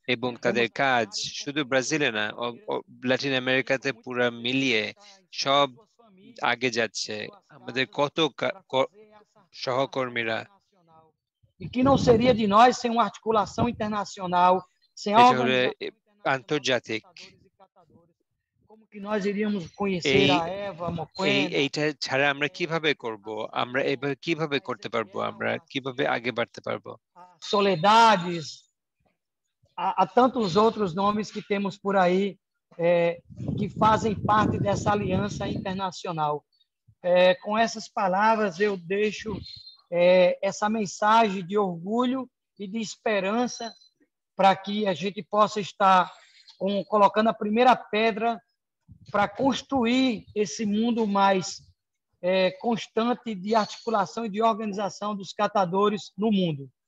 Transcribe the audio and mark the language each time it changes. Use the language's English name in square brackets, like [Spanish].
[Bangla] এবং তাদের কাজ শুধু ব্রাজিলে না ল্যাটিন আমেরিকাতে পুরো মিলিয়ে সব আগে যাচ্ছে আমাদের কত সহকর্মীরা [Portuguese] e que não seria de nós sem uma articulação internacional sem algo antarjatic como que nós iríamos conhecer a Eva [Bangla] Mokwe এইটা ছাড়া আমরা কিভাবে করব আমরা এবার কিভাবে করতে পারব আমরা কিভাবে আগে বাড়তে পারব [Portuguese] soledades Há tantos outros nomes que temos por aí que fazem parte dessa aliança internacional. Com essas palavras, eu deixo essa mensagem de orgulho e de esperança para que a gente possa estar colocando a primeira pedra para construir esse mundo mais constante de articulação e de organização dos catadores no mundo.